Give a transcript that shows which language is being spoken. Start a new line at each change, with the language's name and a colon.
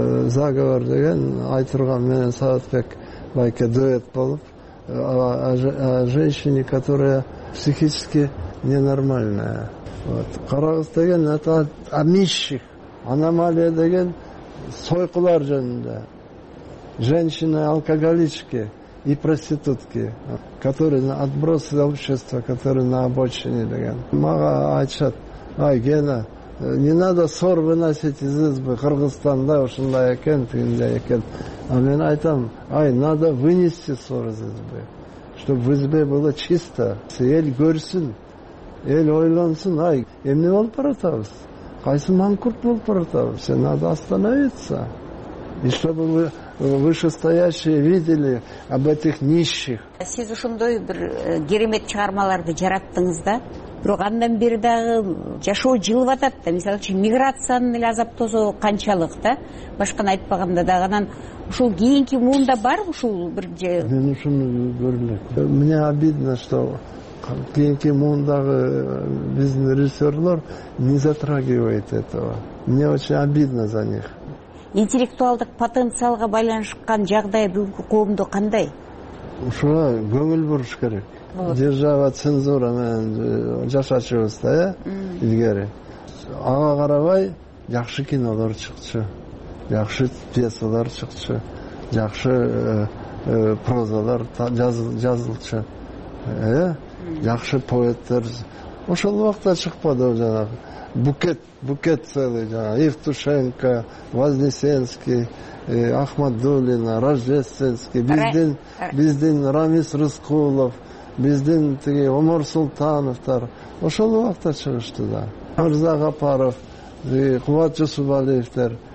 Kyrgyz: Заговор деген Айтурган менен Саатбек байке дуэт болуп
Russian: о женщине, которая психически ненормальная. Вот.
Kyrgyz: Карагыз деген
Russian: это о нищих.
Kyrgyz: аномалия деген сойкулар жөнүндө.
Russian: Женщины, алкоголички и проститутки, которые отбросы общества, которые на обочине
Kyrgyz: деген. Мага айтышат:
Russian: «Ай, Гена, не надо ссор выносить из избы,
Kyrgyz: Кыргызстанда ушундай экен, тигиндей экен». А мен айтам:
Russian: «Ай, надо вынести ссор из избы, чтобы в избе было чисто,
Kyrgyz: эл көрсүн, эл ойлонсун, ай, эмне болуп баратабыз? Кайсы маңкурт болуп баратабыз?
Russian: Все, надо остановиться». И чтобы вы вышестоящие видели об этих нищих.
Kyrgyz: Сиз ушундай бир керемет чыгармаларды жараттыңыз да, бирок андан бери дагы жашоо жылып атат да. Мисалы үчүн миграциянын эле азаптоосу канчалык да, башканы айтпаганда дагы. Анан ушул кийинки муунда бар ушул бир же. Мен ушуну көрүлөм.
Russian: Мне обидно, что
Kyrgyz: кийинки муундагы биздин режиссерлор
Russian: не затрагивает этого. Мне очень обидно за них.
Kyrgyz: Интеллектуалдык потенциалга байланышкан жагдай бүгүнкү коомдо кандай? Ушуга көңүл буруш керек.
Russian: Держава цензура
Kyrgyz: менен жашачубуз да, э? Илгери. Ага карабай жакшы кинолор чыкчу, жакшы пьесалар чыкчу, жакшы прозалар жазылчу, э? Жакшы поэттер. Ошол убакта чыкпады жанагы. Букет целый, Евтушенко, Вознесенский, Ахмадуллина, Рождественский, биздин Рамис Рыскулов, биздин тиги Омор Султановтар. Ошол убакта чыгышты да. Мырза Гапаров, Кубат Жусубалиевтер.